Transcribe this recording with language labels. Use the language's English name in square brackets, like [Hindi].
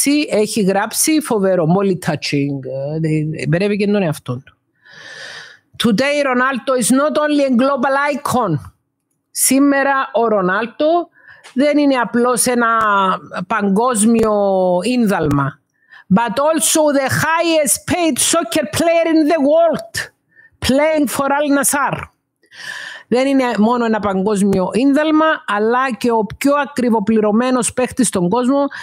[Greek] Έχει γράψει φοβερό. [English] Molly touching. [Greek] Υπερεύηκε τον εαυτόν του. [English] Today, Ronaldo is not only a global icon. [Greek] Σήμερα ο Ρονάλτο δεν είναι απλώς ένα παγκόσμιο ίνδαλμα, [English] but also the highest paid soccer player in the world, playing for Al Nassr. [Greek] Δεν είναι μόνο ένα παγκόσμιο ίνδαλμα, αλλά και ο πιο ακριβοπληρωμένος παίχτης στον κόσμο.